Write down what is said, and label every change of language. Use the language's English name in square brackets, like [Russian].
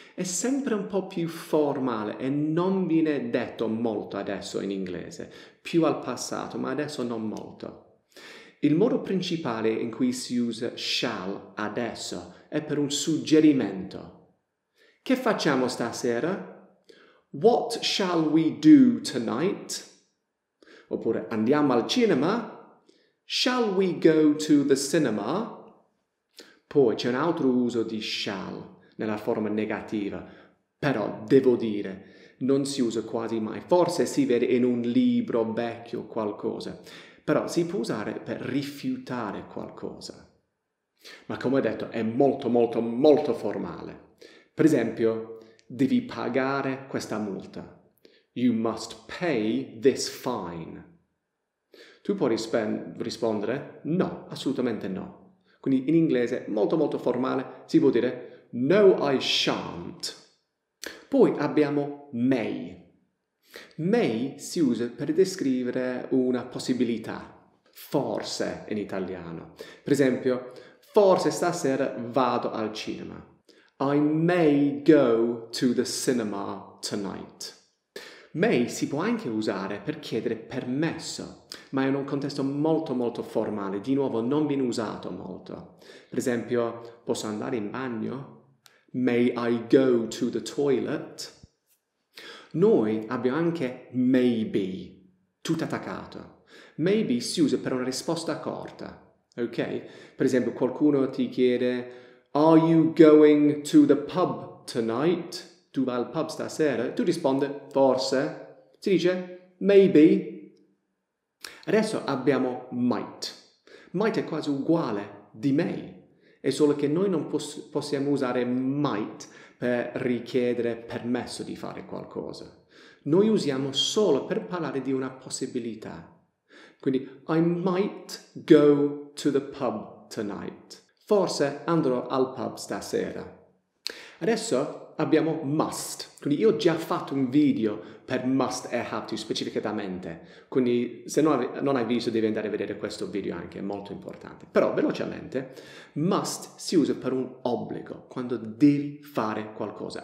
[Italian] È sempre un po' più formale e non viene detto molto adesso in inglese, più al passato, ma adesso non molto. Il modo principale in cui si usa shall adesso è per un suggerimento. Che facciamo stasera? [English] What shall we do tonight? [Italian] Oppure, andiamo al cinema? [English] Shall we go to the cinema? [Italian] Poi, c'è un altro uso di shall, nella forma negativa. Però, devo dire, non si usa quasi mai. Forse si vede in un libro vecchio qualcosa. Però si può usare per rifiutare qualcosa. Ma come ho detto, è molto, molto, molto formale. Per esempio, devi pagare questa multa. [English] You must pay this fine. [Italian] Tu puoi rispondere no, assolutamente no. Quindi in inglese, molto, molto formale, si può dire [English] no, I shan't. [Italian] Poi abbiamo may. May si usa per descrivere una possibilità, forse in italiano. Per esempio, forse stasera vado al cinema. [English] I may go to the cinema tonight. [Italian] May si può anche usare per chiedere permesso, ma è in un contesto molto molto formale, di nuovo non viene usato molto. Per esempio, posso andare in bagno? [English] May I go to the toilet? [Italian] Noi abbiamo anche maybe, tutto attaccato. Maybe si usa per una risposta corta, ok? Per esempio, qualcuno ti chiede, [English] are you going to the pub tonight? [Italian] Tu vai al pub stasera? Tu rispondi, forse. Si dice, maybe. Adesso abbiamo might. Might è quasi uguale di may. È solo che noi non possiamo usare might per richiedere permesso di fare qualcosa. Noi usiamo solo per parlare di una possibilità. [English] Quindi, I might go to the pub tonight. [Italian] Forse andrò al pub stasera. Adesso abbiamo must. Quindi io ho già fatto un video per must e [English] have to [Italian] specificatamente. Quindi se non hai visto devi andare a vedere questo video anche, è molto importante. Però velocemente, must si usa per un obbligo, quando devi fare qualcosa.